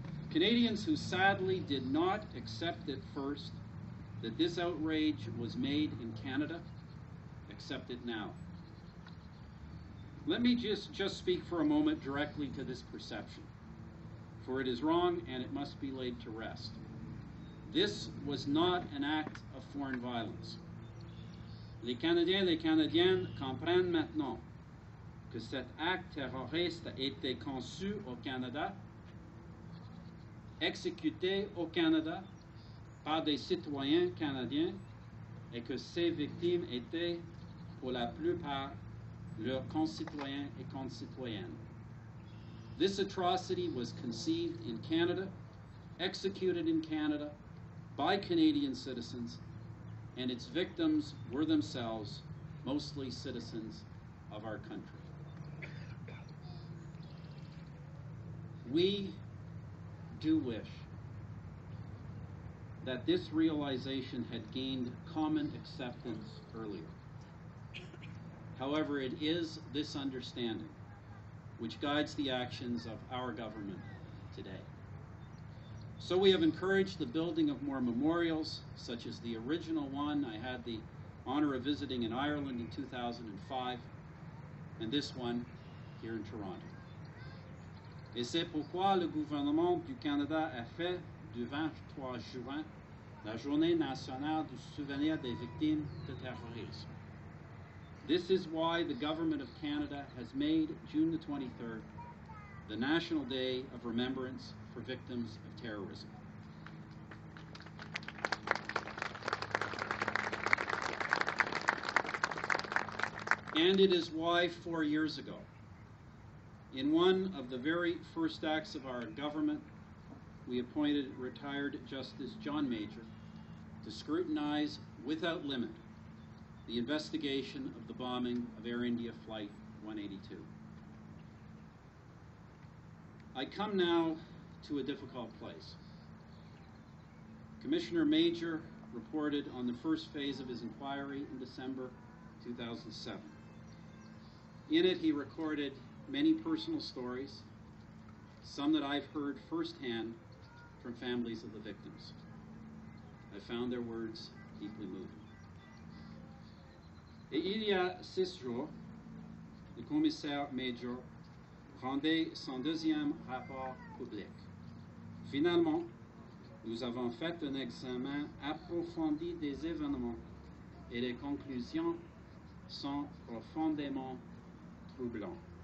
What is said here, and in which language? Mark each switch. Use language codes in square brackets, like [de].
[en] Canadians who sadly did not accept at first that this outrage was made in Canada, accept it now. Let me just speak for a moment directly to this perception, for it is wrong and it must be laid to rest. This was not an act of foreign violence. [fr] Les Canadiens, les Canadiennes comprennent maintenant que cet acte terroriste a été conçu au Canada, exécuté au Canada, par des citoyens canadiens et que ces victimes étaient, pour la plupart, leurs concitoyens et concitoyennes. [en] This atrocity was conceived in Canada, executed in Canada, by Canadian citizens, and its victims were themselves mostly citizens of our country. We do wish that this realization had gained common acceptance earlier. However, it is this understanding which guides the actions of our government today. So we have encouraged the building of more memorials, such as the original one I had the honor of visiting in Ireland in 2005, and this one here in Toronto. [fr] Et c'est pourquoi le gouvernement du Canada a fait du 23 juin la Journée nationale du souvenir des victimes de terrorisme. [en] This is why the government of Canada has made June the 23rd the National Day of Remembrance for Victims of Terrorism. And it is why 4 years ago, In one of the very first acts of our government, we appointed retired Justice John Major to scrutinize without limit the investigation of the bombing of Air India Flight 182. I come now to a difficult place. Commissioner Major reported on the first phase of his inquiry in December 2007. In it, he recorded many personal stories, some that I've heard firsthand from families of the victims. I found their words deeply moving. [fr] Et il y a six jours, le commissaire major rendait son deuxième rapport public. Finalement, nous avons fait un examen approfondi des événements et les conclusions sont profondément troublantes.